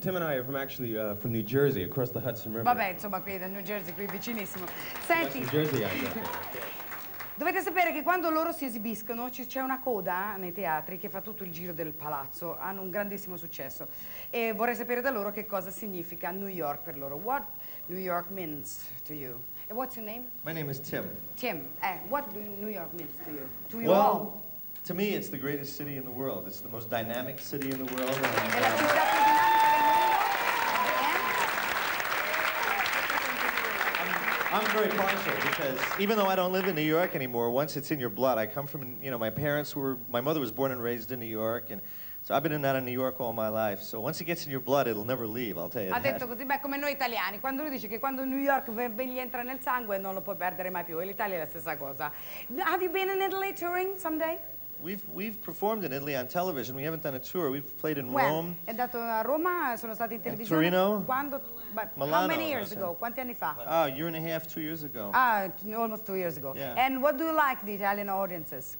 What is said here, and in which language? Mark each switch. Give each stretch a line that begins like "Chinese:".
English: Tim and I are from New Jersey, across the Hudson River.
Italian: Vabbè, insomma, qui da New Jersey, qui vicinissimo. Senti.
English: New Jersey, I'm not.
Italian: Dovete sapere che quando loro si esibiscono c'è una coda nei teatri che fa tutto il giro del palazzo. Hanno un grandissimo successo. E vorrei sapere da loro che cosa significa New York per loro.
English: What New York means to you? And what's your name? My name is Tim. Tim. What do New York means to you? To you well, all? To me, it's the greatest city in the world. It's the most dynamic city in the world.
Italian: È la città più dinamica del mondo.
English: I'm very partial because even though I don't live in New York anymore, once it's in your blood, I come from, you know, my mother was born and raised in New York, and so I've been in and out of New York all my life. So once it gets in your blood, it'll never leave, I'll tell you that.
Italian: Ha detto così, beh, come noi italiani. Quando lui dice che quando New York gli entra nel sangue, non lo puoi perdere mai più. E l'Italia è la stessa cosa.
English: Have you been in Italy touring someday? We've performed in Italy on television. We haven't done a tour. We've played in Rome.
Italian: È andato a Roma, sono stati in televisione. Torino. Quando? Milano.
English: How many years ago?
Italian: Quanti anni fa?
English: Ah, a year and a half, 2 years ago. Ah, almost 2 years ago. Yeah. And what do you like the Italian audiences?